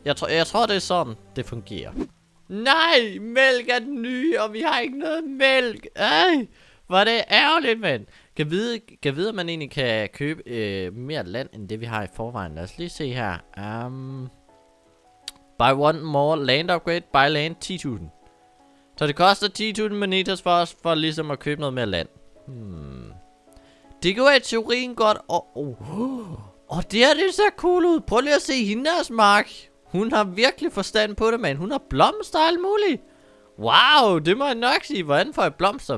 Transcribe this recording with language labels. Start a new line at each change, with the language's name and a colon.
Danish: Jeg tror det er sådan det fungerer. Nej, mælk er den nye, og vi har ikke noget mælk. Ej, hvor er det ærgerligt, mand. Kan vide at man egentlig kan købe mere land end det vi har i forvejen. Lad os lige se her.
English: Buy one more land upgrade, buy land 10.000.
Danish: Så det koster 10.000 monetas for os, for ligesom at købe noget mere land. Det kunne være i teorien godt, og det her, det ser cool ud. Prøv lige at se hendes mark. Hun har virkelig forstand på det, mand. Hun har blomster alt muligt. Wow, det må jeg nok sige. Hvordan får jeg blomster?